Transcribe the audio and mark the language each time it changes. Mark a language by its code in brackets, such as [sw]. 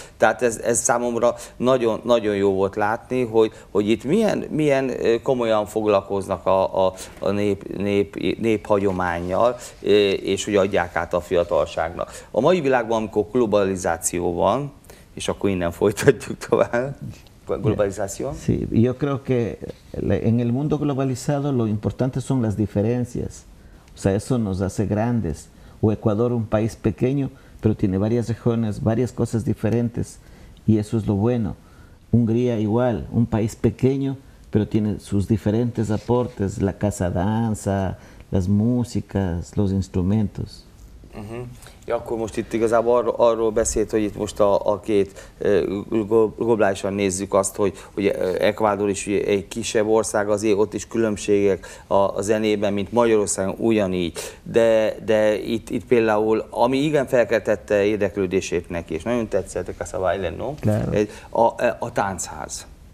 [hu] Tehát ez számomra nagyon, nagyon jó volt látni, hogy itt milyen komolyan foglalkoznak a néphagyományjal, és hogy adják át a fiatalságnak. A mai világban, amikor globalizáció van, és akkor innen folytatjuk tovább. Globalizáció? [es] Sí, yo creo que en el mundo globalizado lo importante son las diferencias. O sea, eso nos hace grandes. O Ecuador, un país pequeño, pero tiene varias regiones, varias cosas diferentes. Y eso es lo bueno. Hungría igual, un país pequeño, pero tiene sus diferentes aportes. La casa danza, las músicas, los instrumentos. Uh-huh. [hu] Ja, akkor most itt igazából arról beszélt, hogy itt most a két globálisan nézzük azt, hogy Ecuador is egy kisebb ország, azért ott is különbségek a zenében, mint Magyarországon ugyanígy. De itt például, ami igen felkeltette érdeklődését neki, és nagyon tetszett a Casa Baile, no? A táncház.